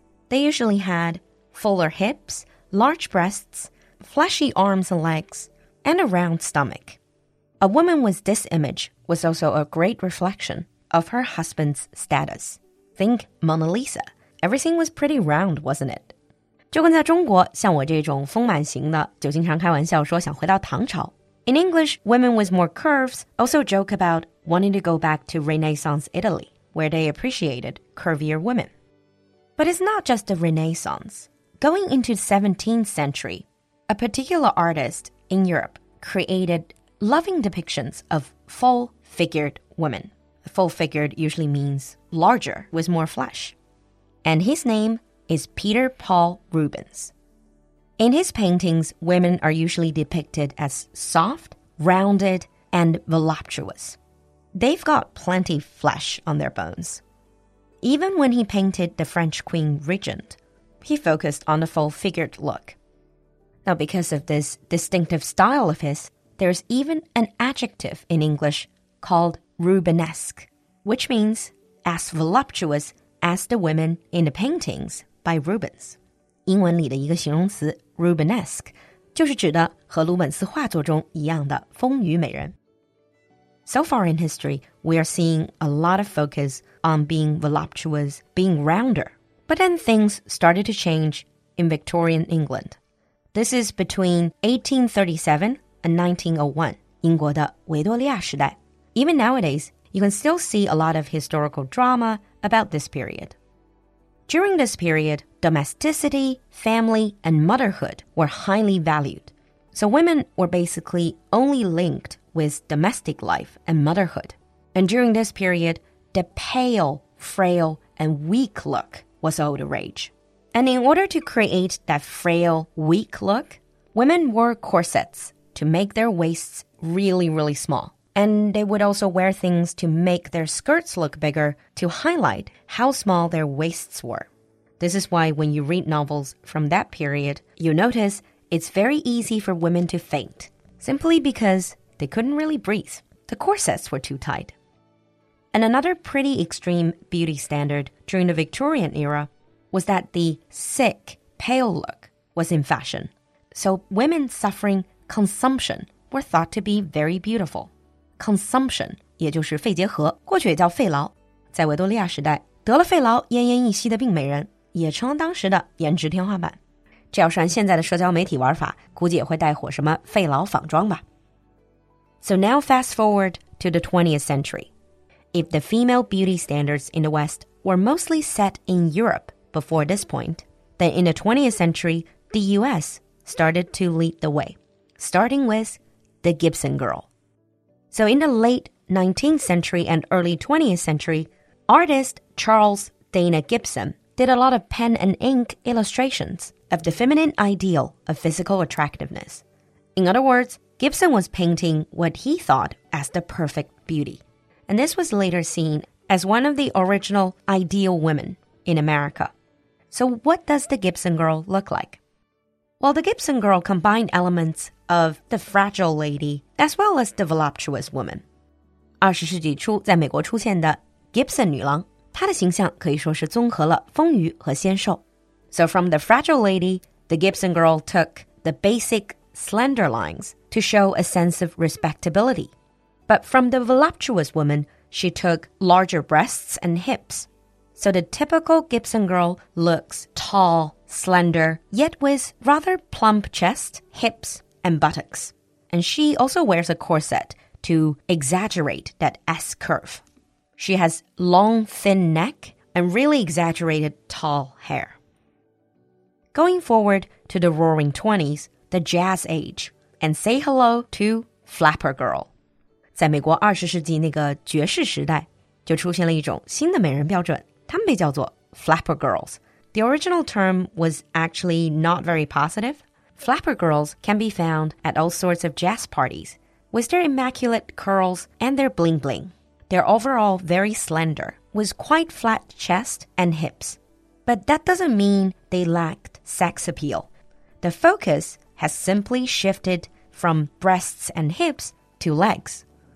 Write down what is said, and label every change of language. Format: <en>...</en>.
<en>They usually had fuller hips, large breasts, fleshy arms and legs, and a round stomach. A woman with this image was also a great reflection of her husband's status. Think Mona Lisa. Everything was pretty round, wasn't it?</en> <zh>就跟在中国，像我这种丰满型的，就经常开玩笑说想回到唐朝。</zh> <en>In English, women with more curves also joke about wanting to go back to Renaissance Italy, where they appreciated curvier women. But it's not just the Renaissance. Going into 17th century, a particular artist in Europe created loving depictions of full-figured women. Full-figured usually means larger, with more flesh. And his name... is Peter Paul Rubens. In his paintings, women are usually depicted as soft, rounded, and voluptuous. They've got plenty of flesh on their bones. Even when he painted the French Queen Regent, he focused on the full-figured look. Now, because of this distinctive style of his, there's even an adjective in English called Rubenesque, which means as voluptuous as the women in the paintings,by Rubens.</en> <zh>英文里的一个形容词 Rubenesque 就是指的和鲁本斯画作中一样的风雨美人。</zh> <en>So far in history, we are seeing a lot of focus on being voluptuous, being rounder. But then things started to change in Victorian England. This is between 1837 and 1901,</en> <zh>英国的维多利亚时代。</zh> <en>Even nowadays, you can still see a lot of historical drama about this period. During this period, domesticity, family, and motherhood were highly valued. So women were basically only linked with domestic life and motherhood. And during this period, the pale, frail, and weak look was all the rage. And in order to create that frail, weak look, women wore corsets to make their waists really, really small. And they would also wear things to make their skirts look bigger to highlight how small their waists were. This is why when you read novels from that period, you notice it's very easy for women to faint, simply because they couldn't really breathe. The corsets were too tight. And another pretty extreme beauty standard during the Victorian era was that the sick, pale look was in fashion. So women suffering consumption were thought to be very beautiful.</en> <zh>Consumption, 也就是肺结核，过去也叫肺痨。在维多利亚时代，得了肺痨奄奄一息的病美人，也成了当时的颜值天花板。这要是按现在的社交媒体玩法，估计也会带火什么肺痨仿妆吧。</zh> <en>So now fast forward to the 20th century. If the female beauty standards in the West were mostly set in Europe before this point, then in the 20th century, the US started to lead the way, starting with the Gibson girl. So in the late 19th century and early 20th century, artist Charles Dana Gibson did a lot of pen and ink illustrations of the feminine ideal of physical attractiveness. In other words, Gibson was painting what he thought as the perfect beauty. And this was later seen as one of the original ideal women in America. So what does the Gibson girl look like? Well, the Gibson girl combined elements of the fragile lady as well as the voluptuous woman.</en> <zh>20世纪初在美国出现的 Gibson 女郎，她的形象可以说是综合了丰腴和纤瘦。</zh> <en>So from the fragile lady, the Gibson girl took the basic slender lines to show a sense of respectability. But from the voluptuous woman, she took larger breasts and hips. So the typical Gibson girl looks tall,slender, yet with rather plump chest, hips, and buttocks. And she also wears a corset to exaggerate that S-curve. She has long, thin neck and really exaggerated tall hair. Going forward to the Roaring Twenties, the Jazz Age, and say hello to Flapper Girl.</en> <zh>在美国二十世纪那个爵士时代，就出现了一种新的美人标准，她们被叫做 Flapper Girls.</zh> <en>The original term was actually not very positive. Flapper girls can be found at all sorts of jazz parties, with their immaculate curls and their bling bling. They're overall very slender, with quite flat chest and hips. But that doesn't mean they lacked sex appeal. The focus has simply shifted from breasts and hips to legs.</en>